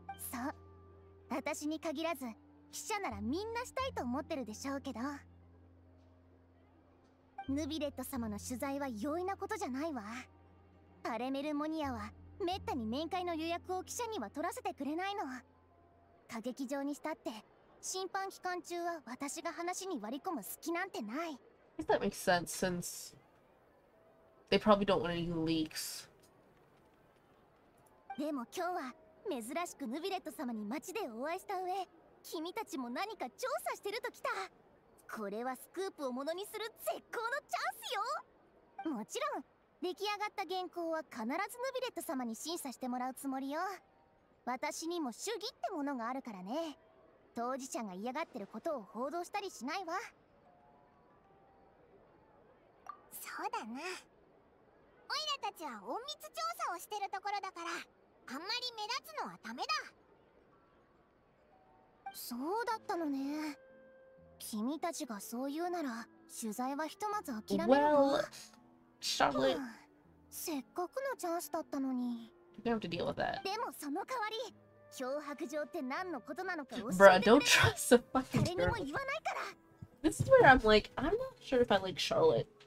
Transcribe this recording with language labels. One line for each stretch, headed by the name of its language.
Japanese: そう、私に限らず記者ならみんなしたいと思ってるでしょうけど、ヌビレット様の取材は容易なことじゃないわ。パレメルモニアはめったに面会の予約を記者には取らせてくれないの。過激場にしたって審判期間中は私が話に割り込む隙なんてない。
English: That makes sense since they probably don't want any leaks.
Japanese: でも今日は珍しくヌビレット様に街でお会いした上、君たちも何か調査してると来た。これはスクープをものにする絶好のチャンスよ。もちろん出来上がった原稿は必ずヌビレット様に審査してもらうつもりよ。私にも主義ってものがあるからね。当事者が嫌がってることを報道したりしないわ。そうだな。オイラたちは隠密調査をしてるところだから、あんまり目立つのはダメだ。そうだったのね。君たちがそう言うなら、取材はひとまず諦めるわ。
English: Well, Charlotte.
Japanese: せっかくのチャンスだったのに。
English: You have to deal with that.
Japanese: でもその代わり、脅迫状って何のことなのか教えてくれ。
English: Bruh, don't trust the fucking girl.
Japanese: 誰にも言わないから。
English: This is where I'm like, I'm not sure if I like Charlotte.